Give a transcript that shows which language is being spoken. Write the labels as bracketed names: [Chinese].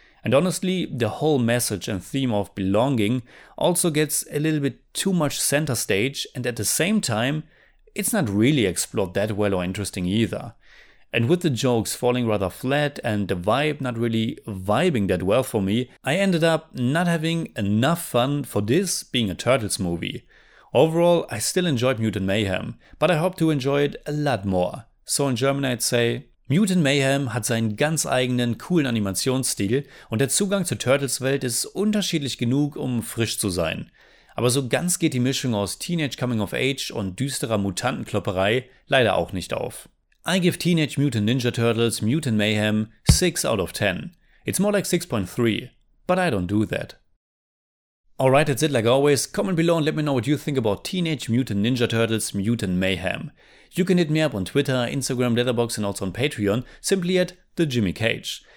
[English] And honestly, the whole message and theme of belonging also gets a little bit too much center stage, and at the same time, it's not really explored that well or interesting either. And with the jokes falling rather flat and the vibe not really vibing that well for me, I ended up not having enough fun for this being a Turtles movie. Overall, I still enjoyed Mutant Mayhem, but I hope to enjoy it a lot more. So in German I'd say, [German] Mutant Mayhem hat seinen ganz eigenen coolen Animationsstil und der Zugang zur Turtles Welt ist unterschiedlich genug, um frisch zu sein. Aber so ganz geht die Mischung aus Teenage Coming of Age und düsterer Mutantenklopperei leider auch nicht auf. [English] I give Teenage Mutant Ninja Turtles Mutant Mayhem 6 out of 10. It's more like 6.3, but I don't do that. Alright, that's it like always. Comment below and let me know what you think about Teenage Mutant Ninja Turtles Mutant Mayhem. You can hit me up on Twitter, Instagram, Letterboxd and also on Patreon, simply at The Jimmy Cage.